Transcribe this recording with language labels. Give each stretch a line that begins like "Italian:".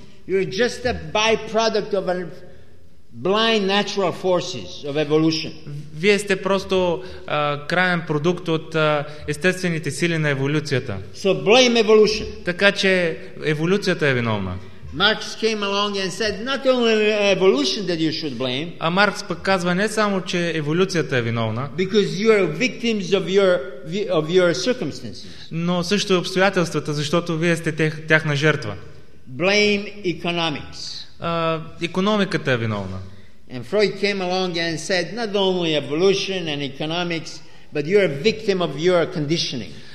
English: You are just a byproduct of a blind natural forces of evolution.
Bulgarian: Вие сте просто краен продукт от естествените сили на еволюцията.
English: So blame evolution.
Bulgarian: Така че еволюцията е виновна.
English: Marx came along and said, not only evolution that you should blame.
Bulgarian: А Маркс пък казва не само че еволюцията е виновна.
English: Because you are victims of your circumstances.
Bulgarian: Но също и обстоятелствата, защото вие сте тяхна жертва.
English: Blame economics.
Bulgarian: Економиката е виновна.
English: And Freud came along and said, not only evolution and economics, but you are a victim of your conditioning.